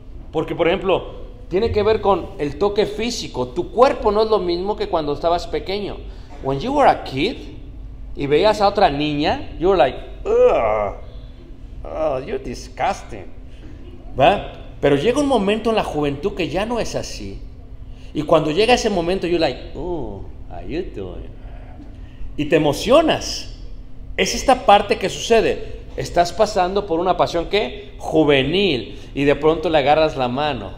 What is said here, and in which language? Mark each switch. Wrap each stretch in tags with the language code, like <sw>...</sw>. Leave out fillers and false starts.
<es>Porque, por ejemplo, tiene que ver con el toque físico. Tu cuerpo no es lo mismo que cuando estabas pequeño.</es> <en>When you were a kid</en> <es>y veías a otra niña,</es> <en>you were like, ugh, oh, you're disgusting.</en> <es>¿Va? Pero llega un momento en la juventud que ya no es así. Y cuando llega ese momento,</es> <en>you're like, oh, how you doing?</en> <es>Y te emocionas. Es esta parte que sucede. Estás pasando por una pasión, ¿qué? Juvenil. Y de pronto le agarras la mano.</es>